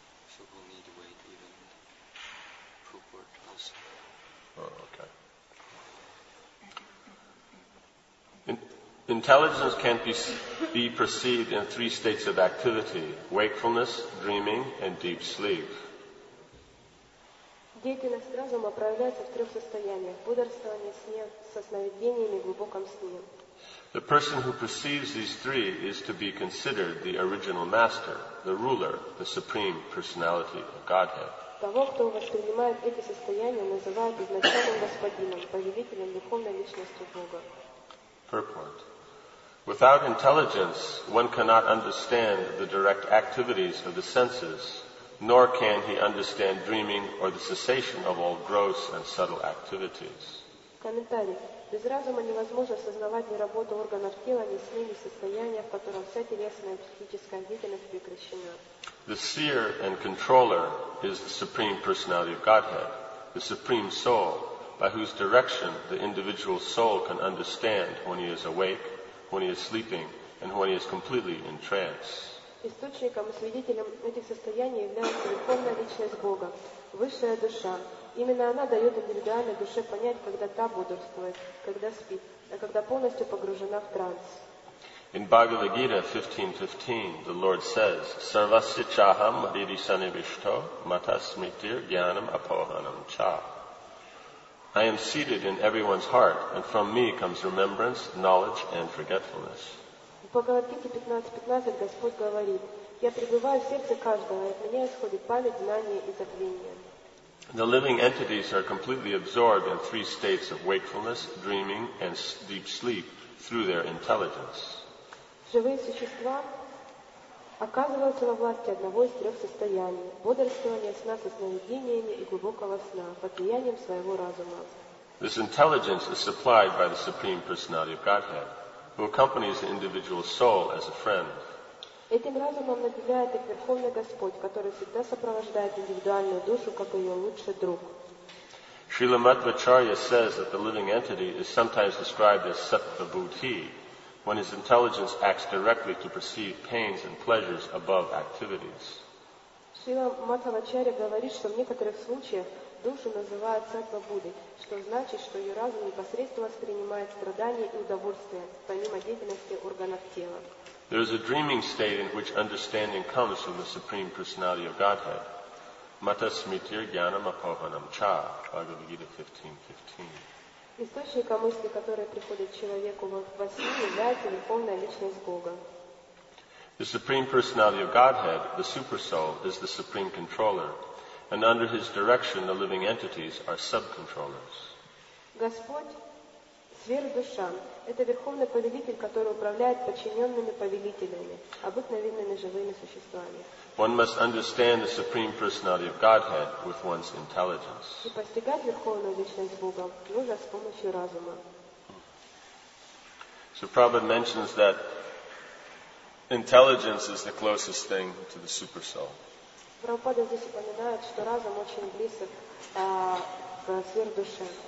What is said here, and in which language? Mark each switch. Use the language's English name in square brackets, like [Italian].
[English] So we'll need to wait even purport also. Oh, okay. Intelligence can't be perceived in three states of activity: wakefulness, dreaming, and deep sleep. [Russian] Деятельность разума проявляется в трех состояниях: бодрствование, сне, со сновидениями, глубоком сне. [English] The person who perceives these three is to be considered the original master, the ruler, the supreme personality of Godhead. [Russian] Того, кто воспринимает эти состояния, называют изначальным господином, повелителем духовной личности Бога. [English] Purport. Without intelligence, one cannot understand the direct activities of the senses, nor can he understand dreaming or the cessation of all gross and subtle activities. [Russian] Комментарий. Без разума невозможно осознавать ни работу органов тела, ни сны, ни состояния, в котором вся телесная и психическая деятельность прекращена. [English] The seer and controller is the supreme personality of Godhead, the supreme soul, by whose direction the individual soul can understand when he is awake, when he is sleeping, and when he is completely in trance. [Russian] Источником и свидетелем этих состояний является верховная личность Бога, высшая душа. Именно она дает индивидуальной душе понять, когда та бодрствует, когда спит, а когда полностью погружена в транс. [English] In Bhagavad Gita 15:15, the Lord says, [Sanskrit] "Sarvasya chaham ridisanivishto matasmitir jnanam apohanam cha." [English] I am seated in everyone's heart, and from me comes remembrance, knowledge, and forgetfulness. [Russian] В Бхагавад Гите 15:15 Господь говорит: Я пребываю в сердце каждого, и от меня исходит память, знание и забвение. [English] The living entities are completely absorbed in three states of wakefulness, dreaming, and deep sleep through their intelligence. [Russian] Живые существа оказываются во власти одного из трех состояний – бодрствования, сна со сновидениями и глубокого сна под влиянием своего разума. [English] This intelligence is supplied by the Supreme Personality of Godhead, who accompanies the individual soul as a friend. [Russian] Этим разумом наделяет их Верховный Господь, который всегда сопровождает индивидуальную душу, как ее лучший друг. [English] Srila Madhvacharya says that the living entity is sometimes described as Sattva-Buddhi, when his intelligence acts directly to perceive pains and pleasures above activities. [Russian] Srila Madhvacharya говорит, что в некоторых случаях душу называют Сатва Будды, что значит, что ее разум непосредственно воспринимает страдания и удовольствия, помимо деятельности органов тела. [English] There is a dreaming state in which understanding comes from the Supreme Personality of Godhead. [Sanskrit] Matasmitir jnanam apohanam cha, Bhagavad Gita 15:15. [Russian] Источником мысли, которая приходит человеку во сне, является верховная личность Бога. [English] The Supreme Personality of Godhead, the Super Soul, is the Supreme Controller, and under His direction, the living entities are sub-controllers. [Russian] Господь, сверхдуша, это верховный повелитель, который управляет подчиненными повелителями, обыкновенными живыми существами. [English] One must understand the Supreme Personality of Godhead with one's intelligence. [Russian] И постигать верховную личность Бога нужно с помощью разума. [English] So Prabhupada mentions that intelligence is the closest thing to the super soul. [Russian] Прабхупада здесь упоминает, что разум очень близок к сверхдуше.